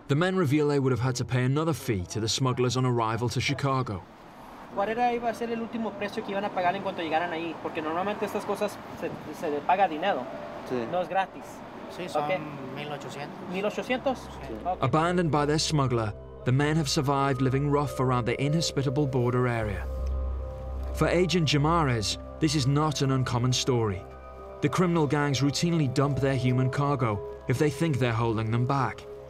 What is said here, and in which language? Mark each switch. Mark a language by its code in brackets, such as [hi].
[en] The men reveal they would have had to pay another fee to the smugglers on arrival to Chicago. [es] ¿Cuál era iba a ser el último precio que iban a pagar en cuanto llegaran ahí? Porque normalmente estas cosas se les paga dinero. Sí. No es gratis. Sí, son okay. 1,800. 1,800? Sí. Okay. [en] Abandoned by their smuggler, the men have survived living rough around the inhospitable border area. For Agent Jamarez, this is not an uncommon story. The criminal gangs routinely dump their human cargo if they think they're holding them back.